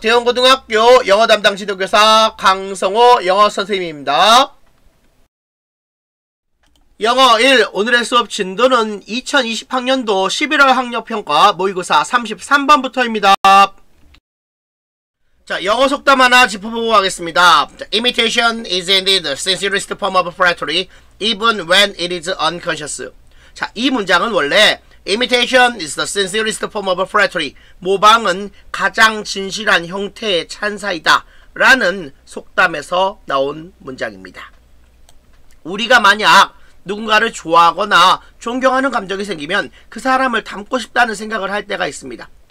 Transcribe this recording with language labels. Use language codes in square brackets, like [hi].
[ko] 대형고등학교 영어 담당 지도교사 강성호 영어 선생님입니다. 영어 1. 오늘의 수업 진도는 2020학년도 11월 학력평가 모의고사 33번부터입니다. 자, 영어 속담 하나 짚어보고 가겠습니다. [en] Imitation is indeed the sincerest form of flattery, even when it is unconscious. [ko] 자, 이 문장은 원래 [en] Imitation is the sincerest form of flattery. [ko] 모방은 가장 진실한 형태의 찬사이다. 라는 속담에서 나온 문장입니다. 우리가 만약 누군가를 좋아하거나 존경하는 감정이 생기면 그 사람을 닮고 싶다는 생각을 할 때가 있습니다.